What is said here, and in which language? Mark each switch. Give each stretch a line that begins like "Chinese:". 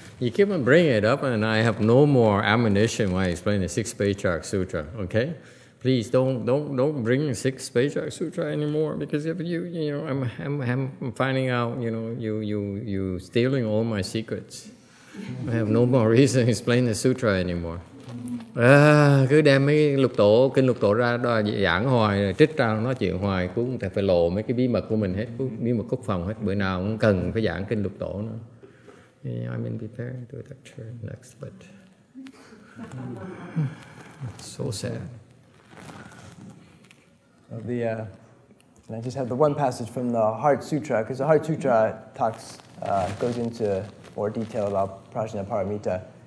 English: You keep on bringing it up, and I have no more ammunition when I explain the Six Patriarch Sutra. Okay, please don't bring Six Patriarch Sutra anymore, because if you know I'm finding out, you know, you stealing all my secrets. I have no more reason to explain the sutra anymore.
Vietnamese: Cứ đem mấy lục tổ, kinh lục tổ ra giảng hoài, trích ra nói chuyện hoài, cũng phải lộ mấy cái bí mật của mình hết, bí mật quốc phòng hết, bữa nào cũng cần phải giảng kinh lục tổ nữa.
English: Yeah, I'm in preparing to do that turn next, but so sad. And I just have the one passage from the Heart Sutra, because the Heart Sutra talks, goes into more detail about Prajna Paramita.